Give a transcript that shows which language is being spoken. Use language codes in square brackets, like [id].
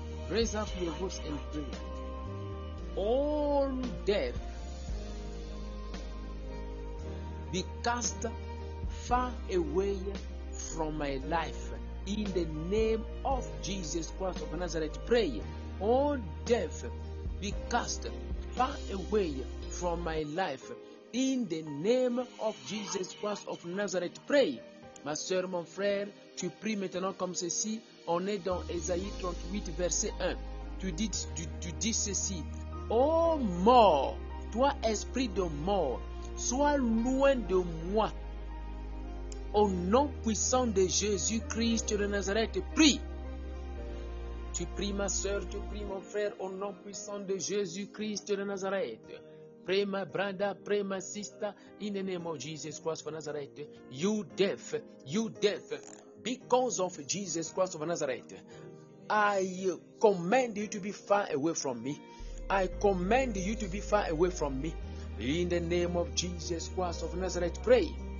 [en] Raise up your voice and pray. All death be cast far away from my life. In the name of Jesus Christ of Nazareth, pray. All death be cast far away from my life. In the name of Jesus Christ of Nazareth, pray. [fr] Ma soeur, mon frère, tu pries maintenant comme ceci. On est dans Ésaïe 38, verset 1. Tu dis ceci. Oh mort, toi esprit de mort, sois loin de moi. Au nom puissant de Jésus-Christ de Nazareth, prie. Tu pries, ma soeur, tu pries, mon frère, au nom puissant de Jésus-Christ de Nazareth. [en] Pray, my brother, pray, my sister, in the name of Jesus Christ of Nazareth. You deaf, because of Jesus Christ of Nazareth. I command you to be far away from me. I command you to be far away from me. In the name of Jesus Christ of Nazareth, pray.